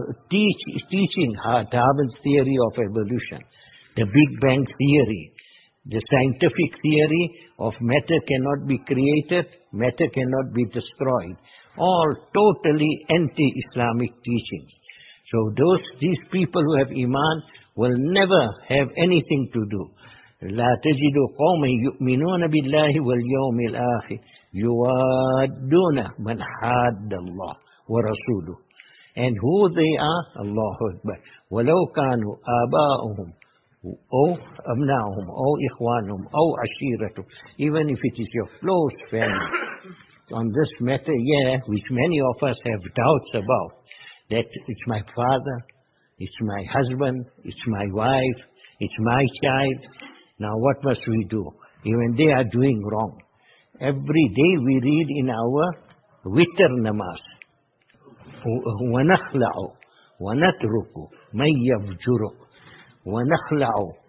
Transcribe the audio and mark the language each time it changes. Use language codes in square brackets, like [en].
[en] teaching Darwin's theory of evolution, the Big Bang theory, the scientific theory of matter cannot be created, matter cannot be destroyed, all totally anti-Islamic teachings. So these people who have iman will never have anything to do. [ar] لا تجد قوم يؤمنون بالله واليوم الآخر يوادون من حاد الله ورسوله. [en] And who they are, Allah Akbar. [ar] ولو كانوا آباؤهم أو أبناؤهم أو إخوانهم أو عشيرتهم. [en] Even if it is your close family. On this matter, yeah, which many of us have doubts about, that it's my father, it's my husband, it's my wife, it's my child. Now what must we do? Even they are doing wrong. Every day we read in our witr namaz, [ar] وَنَخْلَعُ وَنَتْرُكُ مَنْ يَفْجُرُكُ وَنَخْلَعُ.